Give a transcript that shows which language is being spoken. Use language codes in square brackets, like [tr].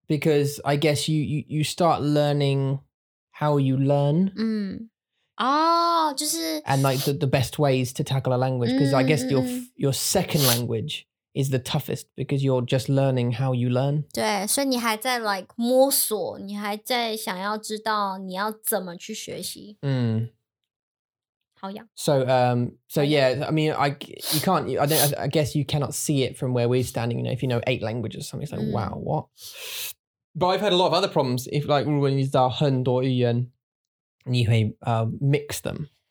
[en] Because I guess you start learning how you learn. And like the best ways to tackle a language. Because I guess your second language is the toughest because you're just learning how you learn. [zh] 对,所以你还在 like 摸索,你还在想要知道你要怎么去学习。 [en] So yeah, I mean, I guess you cannot see it from where we're standing, you know, if you know eight languages or something, it's like, wow, what? But I've had a lot of other problems. If like, [zh] 如果你知道很多语言, 你会, [en] mix them.